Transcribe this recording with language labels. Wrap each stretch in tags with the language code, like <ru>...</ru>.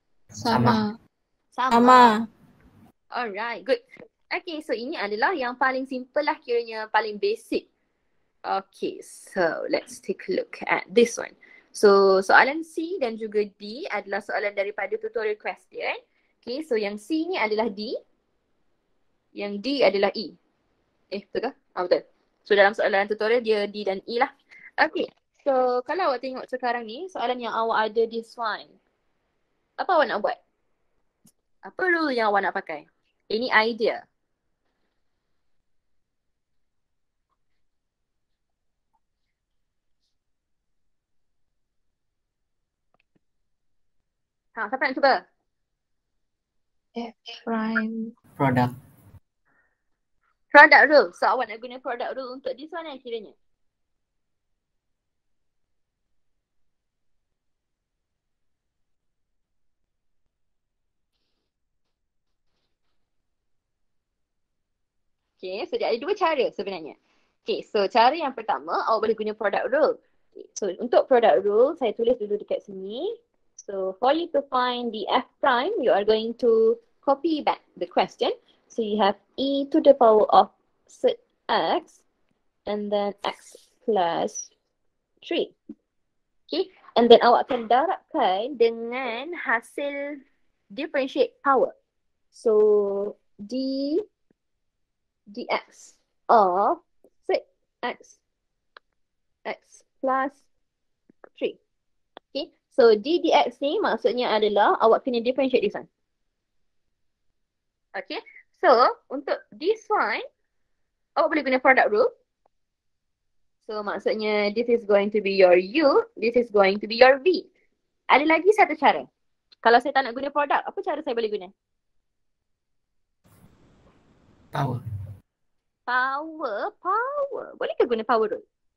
<ms>Sama. Sama. Sama. Alright, good. Okay, so ini adalah yang paling simple lah kiranya, paling basic.</ms> <en>Okay, so let's take a look at this one.</en> <ms>So soalan C dan juga D adalah soalan daripada tutorial question. Okay, so yang C ni adalah D. Yang D adalah E. Eh, betul kah? Ah, betul. So dalam soalan tutorial dia D dan E lah. Okay, so kalau awak tengok sekarang ni, soalan yang awak ada</ms> <en>this one.</en> <ms>Apa awak nak buat? Apa rule yang awak nak pakai?</ms> <en>Any idea?</en> <ms>Ha, siapa nak cuba?</ms> <en>F prime product.</en> <ms>Product rule. So awak nak guna product rule untuk</ms> <en>this one</en> <ms>akhirnya. Okay, so dia ada dua cara sebenarnya. Okay, so cara yang pertama awak boleh guna product rule. Okay, so untuk product rule saya tulis dulu dekat sini.</ms> <en>So for you to find the F prime, you are going to copy back the question. So you have e to the power of set x and then x plus 3.</en> <ms>Okay, and then awak akan darabkan dengan hasil differentiate power.</ms> <en>So d dx of set x, x plus 3.</en> <ms>Okay, so d dx ni maksudnya adalah awak kena differentiate</ms> <en>this one.</en> <ms>Okay, so untuk</ms> <en>this one,</en> <ms>awak boleh guna product rule. So maksudnya</ms> <en>this is going to be your U, this is going to be your V.</en> <ms>Ada lagi satu cara. Kalau saya tak nak guna product, apa cara saya boleh guna?</ms> <en>Power.</en> <ms>Power, power. Boleh ke guna power rule?</ms>